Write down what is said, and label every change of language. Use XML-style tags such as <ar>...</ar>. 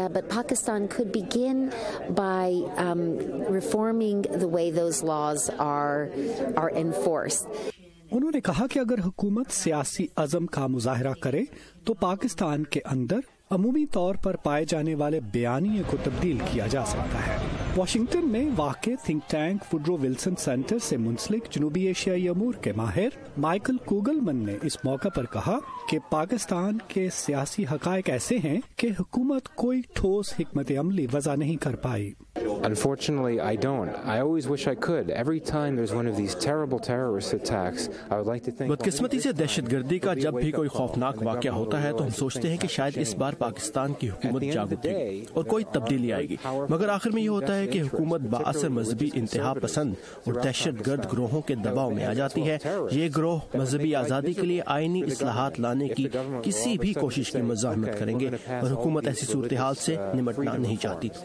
<en>Pakistan could begin by reforming the way those laws are enforced.</en> <ur>انہوں نے کہا کہ اگر حکومت سیاسی عزم کا مظاہرہ کرے تو پاکستان کے اندر عمومی طور پر پائے جانے والے بیانیے کو تبدیل کیا جا سکتا ہے. واشنگٹن میں واقع think tank Woodrow Wilson centre سے منسلک جنوبی ایشیائی امور کے ماہر مائیکل کوگلمن نے اس موقع پر کہا کہ پاکستان کے سیاسی حقائق ایسے ہیں کہ حکومت کوئی ٹھوس حکمت عملی وضع نہیں کر پائی.</ur> <en>Unfortunately, I don't. I always wish I could. Every time there's one of these terrible terrorist attacks, I would like to think...</en> <ur>بدقسمتی سے دہشت گردی کا جب بھی کوئی خوفناک واقعہ ہوتا ہے تو ہم سوچتے ہیں کہ شاید اس بار پاکستان کی حکومت جاگ اٹھے گی اور کوئی تبدیلی آئے گی، مگر آخر میں یہ ہوتا ہے کہ حکومت بااثر مذہبی انتہا پسند اور دہشت گرد گروہوں کے دباؤ میں آ جاتی ہے. یہ گروہ مذہبی آزادی کے لیے آئینی اصلاحات لانے کی کسی بھی کوشش کی مزاحمت کریں گے اور حکومت ایسی صورتحال سے نمٹنا نہیں چاہتی.</ur>